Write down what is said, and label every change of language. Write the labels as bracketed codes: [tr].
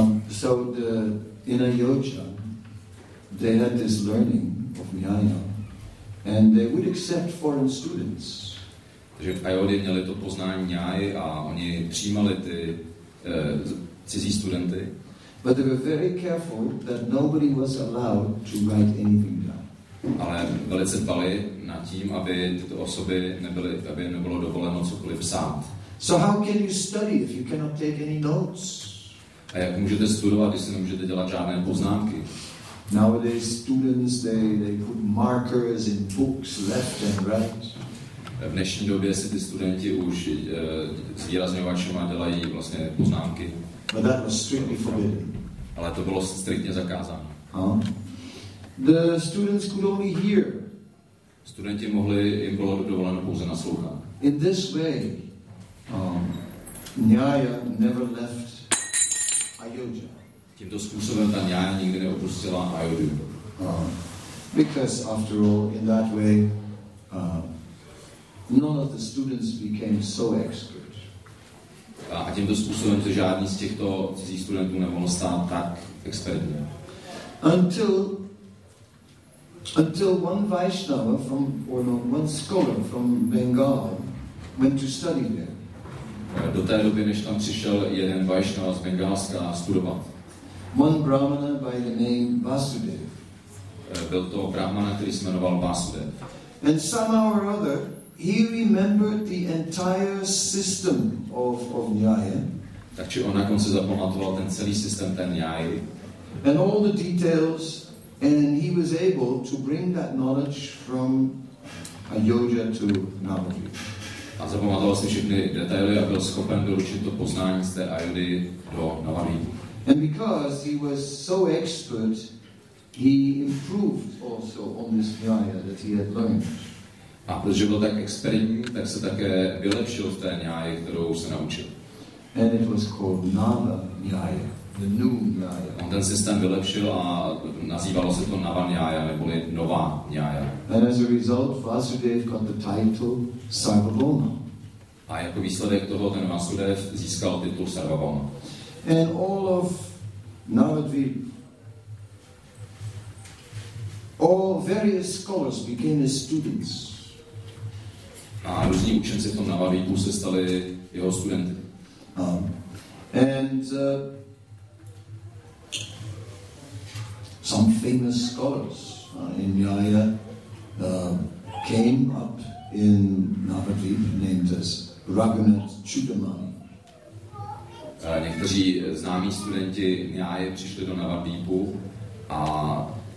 [en] So the in Ayodhya, they had this learning of nyaya, and they would accept foreign students. [cs] Takže v Ayodhya měli to poznání nyaya a oni přijímali ty cizí studenty. [en] But they were very careful that nobody was allowed to write anything down. [cs] Ale velice dbali na tím, aby tyto osoby nebyly, aby nebylo dovoleno cokoliv psát. [en] So how can you study if you cannot take any notes? [cs] A jak můžete studovat, když si nemůžete dělat žádné poznámky? [en] Nowadays students they put markers in books left and right. [cs] V dnešní době si ty studenti už s výrazňovačem dělají vlastně poznámky. [en] But that was strictly forbidden. [cs] Ale to bylo striktně zakázáno. [en] The students could only hear. [cs] Studenti mohli, jim bylo dovoleno pouze naslouchat. [en] In this way, nyaya never left Ayodhya. [cs] Tímto způsobem ta nyaya nikdy neopustila Ayodhya. [en] Because after all, in that way, none of the students became so expert. [cs] A tímto způsobem se žádný z těchto cizích studentů nemohl stát tak expertně. [en] Until one Vaishnava from, or no, one scholar from Bengal went to study there. [cs] Do té doby, než tam přišel jeden Vaishnava z Bengálska studovat. [en] One brahmana by the name Vasudev. [cs] Byl to brahmana, který se jmenoval Vasudev. [en] And somehow or other, he remembered the entire system of nyaya. [cs] Takže on nakon se zapamatoval ten celý systém ten nyaya. [en] And all the details, and he was able to bring that knowledge from Ayodhya to Navadvipa. [cs] A zapamatoval si všechny detaily a byl schopen doručit to poznání z té Ayodhya do Navadvipa. [en] And because he was so expert, he improved also on this nyaya that he had learned. [cs] A protože byl tak expertní, tak se také vylepšil v té nyaya, kterou se naučil. [en] And it was called Nava nyaya, the new nyaya. [cs] On ten systém vylepšil a nazývalo se to Nava nyaya, neboli Nová nyaya. [en] And as a result, Vasudev got the title Sarvabhauma. [cs] A jako výsledek toho ten Vasudev získal titul Sarvabhauma. [en] And all of Navadvip, all various scholars became his students. [cs] A různí učenci v tom Navadvipu se stali jeho studenty. [en] And some famous scholars in Nyaya came up in Navadvip, named as Raghunath Chudamani. [cs] Někteří známí studenti Nyaya přišli do Navadvipu a